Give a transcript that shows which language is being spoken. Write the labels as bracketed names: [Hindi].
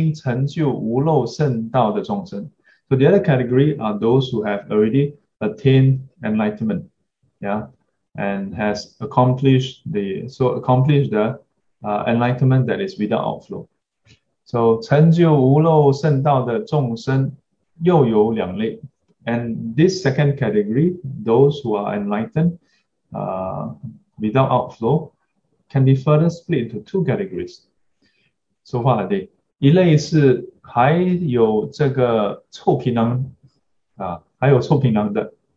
[Chinese] 另外一类是已经成就无漏圣道的众生. [English] So the other category are those who have already attained enlightenment, yeah, and has accomplished the so accomplished the enlightenment that is without outflow. [Chinese] So, 成就无漏圣道的众生又有两类. [English] And this second category, those who are enlightened without outflow, can be further split into two categories. So, what are they? [Chinese] 一类是还有这个臭皮囊的.